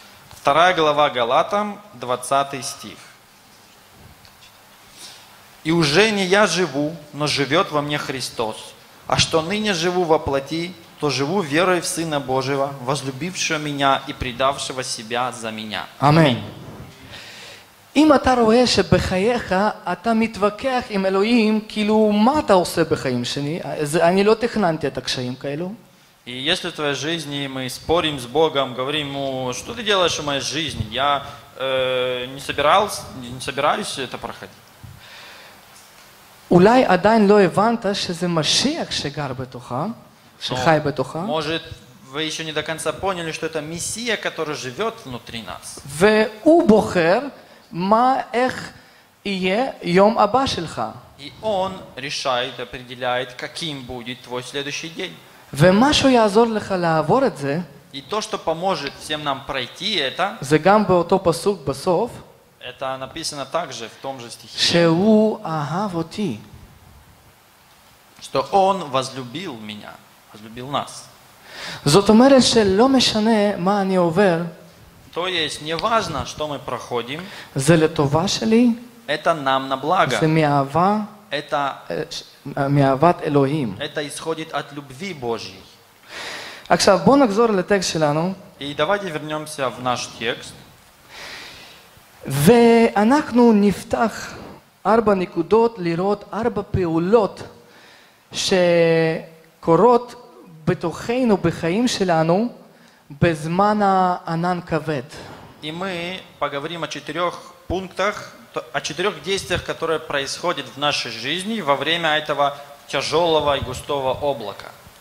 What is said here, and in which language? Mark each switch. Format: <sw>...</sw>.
<ru>Вторая глава Галатам, 20 стих. «И уже не я живу, но живет во мне Христос. А что ныне живу во плоти, то живу верой в Сына Божьего, возлюбившего меня и предавшего себя за меня». Аминь.</ru> <he>אם אתה רואה שבחייך אתה מתווכח עם אלוהים, כאילו מה אתה עושה בחיים שני? אני לא תכננתי את הקשיים כאלו.</he> <ru>И если в твоей жизни мы спорим с Богом, говорим ему, что ты делаешь в моей жизни? Я не собираюсь это проходить.</ru> <he>אולי עדיין לא הבנת שזה משיח שגר בתוכה, שחי בתוכה?</he> <ru>Может, вы еще не до конца поняли, что это Мессия, который живет внутри нас.</ru> <he>והוא בוחר מה, איך יהיה יום הבא שלך.</he> <ru>И он решает, определяет, каким будет твой следующий день.</ru> <he>ומשהו יעזור לך לעבור את זה.</he> <ru>И то, что поможет всем нам пройти это.</ru> <he>זה גם באותו פסוק בסוף.</he> <ru>Это написано также в том же стихе.</ru> <he>שהוא אהב אותי.</he> <ru>Что он возлюбил меня, возлюбил нас.</ru> <he>זאת אומרת שלא משנה מה אני עובר.</he> <ru>То есть, неважно, что мы проходим,</ru> <he>שלי,</he> <ru>это нам на благо. Это исходит от любви Божьей.</ru> <he>עכשיו, בוא נחזור לטקסט שלנו.</he> <ru>И давайте вернемся в наш текст.</ru> <he>ואנחנו נפתח ארבע נקודות לראות ארבע פעולות שקורות בתוכנו בחיים שלנו.</he> <ru>И мы поговорим о четырех пунктах, о четырех действиях, которые происходят в нашей жизни во время этого тяжелого и густого облака.</ru>